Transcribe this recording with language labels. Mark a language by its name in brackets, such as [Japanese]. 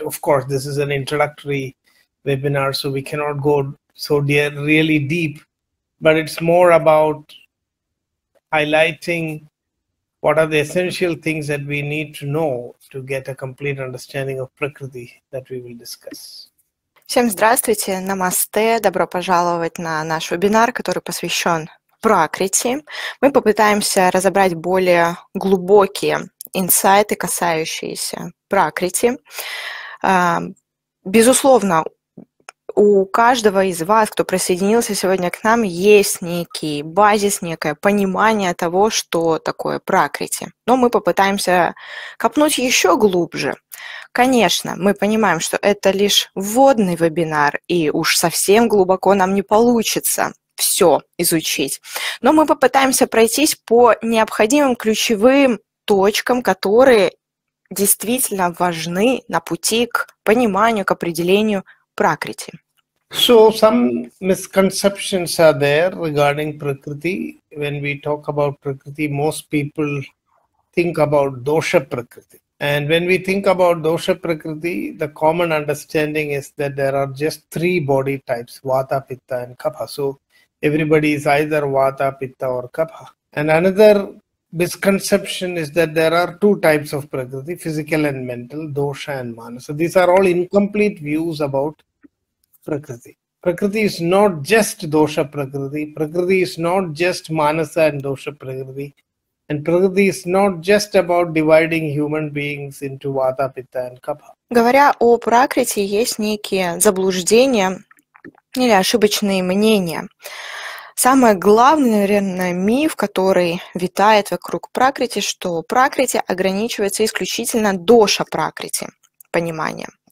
[English] Of course, this is an introductory webinar, so we cannot go so really deep. But it's more about highlighting what are the essential things that we need to know to get a complete understanding of Prakriti that we will discuss. [Russian] Всем здравствуйте, намасте, добро пожаловать на наш вебинар, который посвящен Пракрити. Мы попытаемся разобрать более глубокие инсайты, касающиеся Пракрити. Безусловно, у каждого из вас, кто присоединился сегодня к нам, есть некий базис, некое понимание того, что такое Пракрити. Но мы попытаемся копнуть еще глубже. Конечно, мы понимаем, что это лишь вводный вебинар, и уж совсем глубоко нам не получится все изучить. Но мы попытаемся пройтись по необходимым ключевым точкам, которые действительно важны на пути к пониманию, к определению Пракрити. [English] So some misconceptions are there regarding Prakriti. When we talk about Prakriti, most people think about Dosha Prakriti. And when we think about Dosha Prakriti, the common understanding is that there are just three body types, Vata, Pitta and Kapha. So everybody is either Vata, Pitta or Kapha. And another misconception is that there are two types of Prakriti, physical and mental, Dosha and Manasa. So these are all incomplete views about Prakriti. Prakriti is not just Dosha Prakriti. Prakriti is not just Manasa and Dosha Prakriti. And Prakriti is not just about dividing human beings into Vata, Pitta and Kapha. [Russian] Говоря о Пракрити, есть некие заблуждения или ошибочные мнения. Самый главный, наверное, миф, который витает вокруг Пракрити, что Пракрити ограничивается исключительно Доша Пракрити. Понимание.